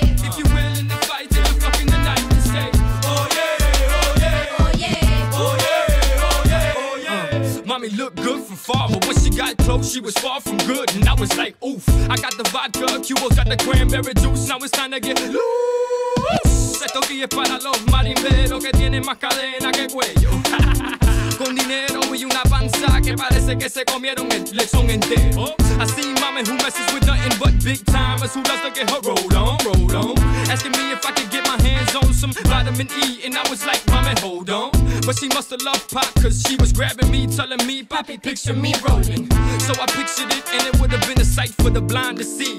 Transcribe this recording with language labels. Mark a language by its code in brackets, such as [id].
[en] If you're willing to fight, then you're fucking the night, then say, oh yeah, oh yeah, oh yeah, oh yeah, oh yeah, oh yeah. Mommy look good from far, but when she got close, she was far from good. And I was like, oof, I got the vodka, Cubos got the cranberry juice. Now it's time to get loose. [es] Esto aquí es para los marimberos que tienen más cadena que cuello. Con dinero y una panza que parece que se comieron el lechón entero. [en] I see mommy who messes with nothing but big timers, who loves to get her roll on, roll on. Asking me if I could get my hands on some vitamin E, and I was like, mommy, hold on. But she must have loved pot, cause she was grabbing me, telling me, papi, picture me rolling. So I pictured it, and it would have been a sight for the blind to see.